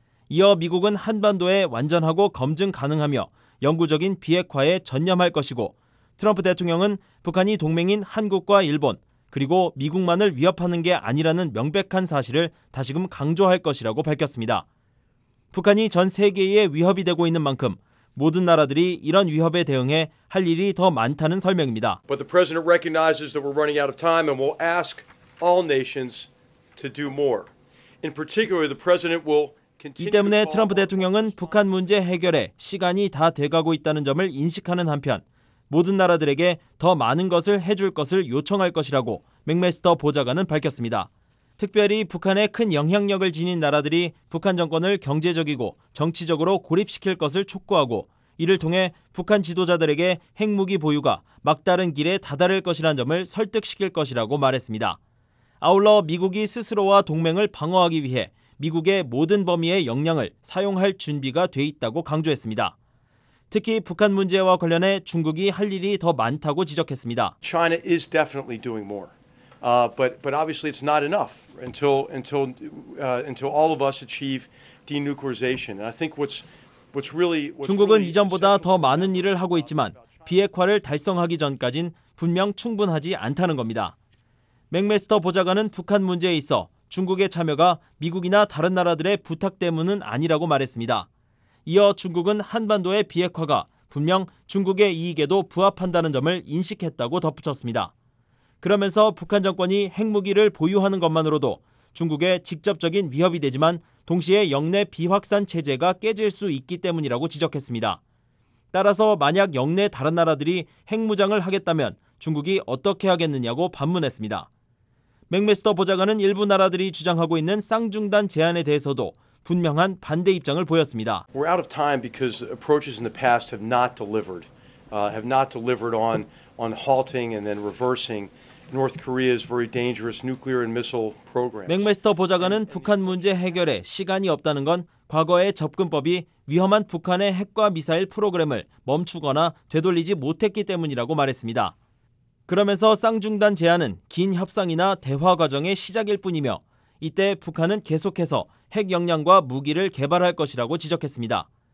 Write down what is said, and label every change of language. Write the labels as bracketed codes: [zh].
[ko] 이어 미국은 한반도에 완전하고 검증 가능하며 영구적인 비핵화에 전념할 것이고 트럼프 대통령은 북한이 동맹인 한국과 일본 그리고 미국만을 위협하는 게 아니라는 명백한 사실을 다시금 강조할 것이라고 밝혔습니다. 북한이 전 세계에 위협이 되고 있는 만큼 모든 나라들이 이런 위협에 대응해 할 일이 더 많다는 설명입니다. [en] But the president recognizes that we're running out of time and will ask all nations to do more. In particular, the president will continue. [ko] 이 때문에 트럼프 대통령은 북한 문제 해결에 시간이 다 돼가고 있다는 점을 인식하는 한편 모든 나라들에게 더 많은 것을 해줄 것을 요청할 것이라고 맥메스터 보좌관은 밝혔습니다. 특별히 북한에 큰 영향력을 지닌 나라들이 북한 정권을 경제적이고 정치적으로 고립시킬 것을 촉구하고 이를 통해 북한 지도자들에게 핵무기 보유가 막다른 길에 다다를 것이라는 점을 설득시킬 것이라고 말했습니다. 아울러 미국이 스스로와 동맹을 방어하기 위해 미국의 모든 범위의 역량을 사용할 준비가 돼 있다고 강조했습니다. 특히 북한 문제와 관련해 중국이 할 일이 더 많다고 지적했습니다. [en] China is definitely doing more. But obviously it's not enough until all of us achieve denuclearization. And I think what's really [ko] 중국은 이전보다 더 많은 일을 하고 있지만 비핵화를 달성하기 전까진 분명 충분하지 않다는 겁니다. 맥메스터 보좌관은 북한 문제에 있어 중국의 참여가 미국이나 다른 나라들의 부탁 때문은 아니라고 말했습니다. 이어 중국은 한반도의 비핵화가 분명 중국의 이익에도 부합한다는 점을 인식했다고 덧붙였습니다. 그러면서 북한 정권이 핵무기를 보유하는 것만으로도 중국의 직접적인 위협이 되지만 동시에 영내 비확산 체제가 깨질 수 있기 때문이라고 지적했습니다. 따라서 만약 영내 다른 나라들이 핵무장을 하겠다면 중국이 어떻게 하겠느냐고 반문했습니다. 맥메스터 보좌관은 일부 나라들이 주장하고 있는 쌍중단 제안에 대해서도 분명한 반대 입장을 보였습니다. [en] We're out of time because approaches in the past have not delivered. Have not delivered on halting and then reversing North Korea's very dangerous nuclear and missile programs. [ko] 맥메스터 보좌관은 북한 문제 해결에 시간이 없다는 건 과거의 접근법이 위험한 북한의 핵과 미사일 프로그램을 멈추거나 되돌리지 못했기 때문이라고 말했습니다. 그러면서 쌍중단 제안은 긴 협상이나 대화 과정의 시작일 뿐이며 이때 북한은 계속해서 핵 역량과 무기를 개발할 것이라고 지적했습니다.